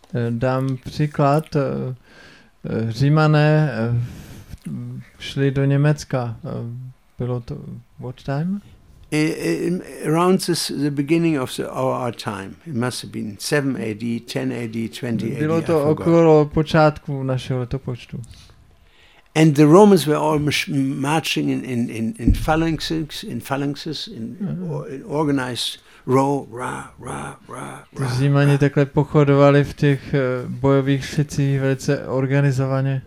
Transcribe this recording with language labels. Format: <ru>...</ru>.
<cs>Dám příklad, Římané šli do Německa. Bylo to</cs> <en>what time? Around the beginning of our time. It must have been 7 AD, 10 AD, 20 AD.</en> <cs>Bylo to okolo počátku našeho letopočtu.</cs> <en>And the Romans were all marching in phalanxes in organized row, ra.</en> <cs>Římané takhle pochodovali v těch bojových šicích velice organizovaně.</cs>